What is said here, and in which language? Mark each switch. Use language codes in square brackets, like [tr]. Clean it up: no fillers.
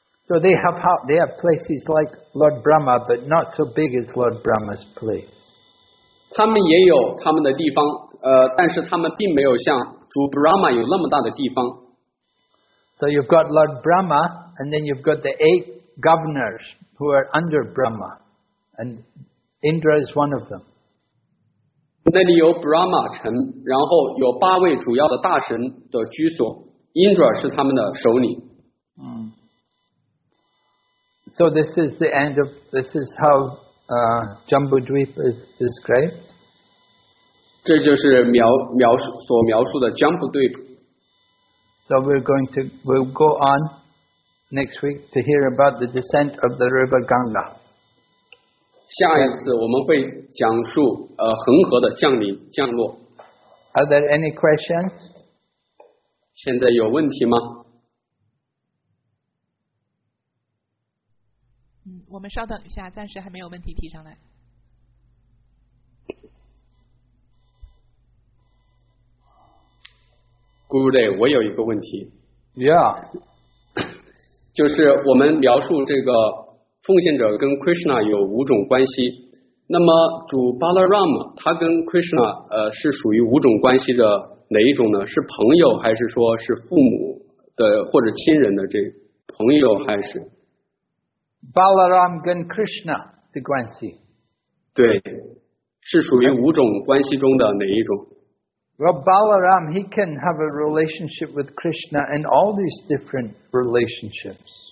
[en] So they have places like Lord Brahma, but not so big as Lord Brahma's place. [zh] 他们也有他们的地方, 但是他们并没有像主 Brahma 有那么大的地方。 [en] So you've got Lord Brahma, and then you've got the eight governors who are under Brahma, and Indra is one of them. [zh] 那里有 Brahma 城, 然后有八位主要的大神的居所, Indra 是他们的首领。 [en] So this is the end of, this is how Jambudvip is described. [zh] 这就是所描述的 Jambudvip. [en] So we'll go on next week to hear about the descent of the river Ganga. [zh] 下一次我们会讲述 恒河的降临降落。 [en] Are there any questions? [zh] 现在有问题吗? 我们稍等一下，暂时还没有问题提上来。 Guru，我有一个问题。 [en] Yeah. [zh] 就是我们描述这个奉献者跟 Krishna 有五种关系，那么主 Balaram 他跟 Krishna 是属于五种关系的哪一种呢？是朋友还是说是父母的或者亲人的这朋友还是？ Balaram and Krishna 的关系对, 是属于五种关系中的哪一种? [en] Well, Balaram, he can have a relationship with Krishna in all these different relationships.